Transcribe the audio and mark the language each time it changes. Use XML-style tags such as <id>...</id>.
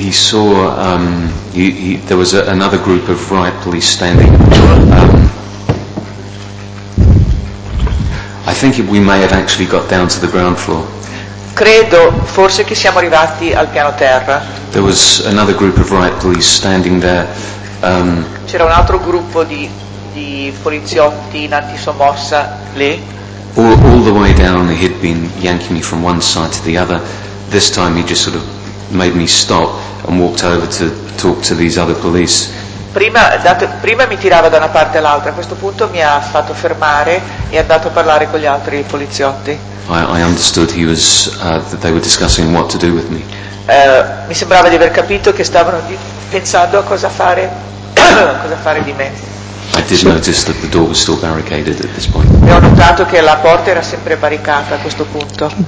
<en>There was another group of riot police standing. I think we may have actually got down to the ground floor.</en> <it>Credo forse che siamo arrivati al piano terra.</it> <en>There was another group of riot police standing there.</en> <it>C'era un altro gruppo di poliziotti in antisommossa lì.</it> <en>All the way down he had been yanking me from one side to the other. This time he just sort of made me stop and walked over to talk to these other police.</en> <it>Prima mi tirava da una parte all'altra, a questo punto mi ha fatto fermare e è andato a parlare con gli altri poliziotti.</it> <en>I understood he was that they were discussing what to do with me.</en> <it>Mi sembrava di aver capito che stavano pensando a cosa fare di me.</it> <en>I did notice that the door was still barricaded at this point.</en> <it>E ho notato che la porta era sempre barricata a questo punto.</it>